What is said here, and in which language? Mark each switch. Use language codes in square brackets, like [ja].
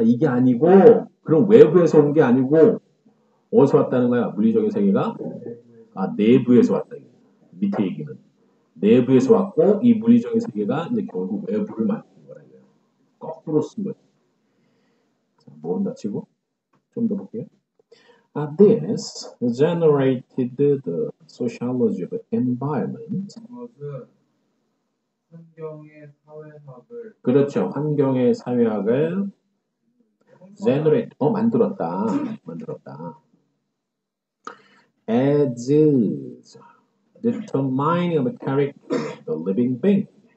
[ko] 이게 아니고, 그럼 외부에서 온게 아니고, 어디서 왔다는 거야, 물리적인 세계가? 아, 내부에서 왔다. 밑에 얘기는. 내부에서 왔고, 이 물리적인 세계가 이제 결국 외부를 만든 거라고요. 거꾸로 쓴 거야. 자, 모른다 치고. 좀더 볼게요. [en] This generated the sociology of environment. [ko] 환경의 사회학을 그렇죠. 환경의 사회학을 generate, 만들었다. 만들었다. [en] As determining of character, the living being.